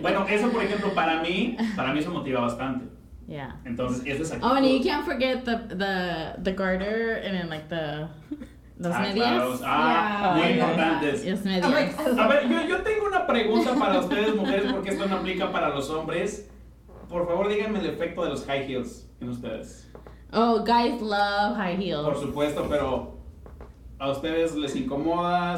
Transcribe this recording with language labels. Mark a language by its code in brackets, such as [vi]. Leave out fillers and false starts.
[es] Bueno, eso, por ejemplo, para mí eso motiva bastante. [en] Yeah. [es] Entonces, eso es [en] aquí. Oh, and you can't forget the garter and then, like, the... [es] Los medias. Claro. Yeah. Muy importantes. Los medias. A ver, yo tengo una pregunta para ustedes, mujeres, porque esto no aplica para los hombres. Por favor, díganme el efecto de los high heels en ustedes. [en] Oh, guys love high heels. [es] Por supuesto, pero ¿a ustedes les incomoda?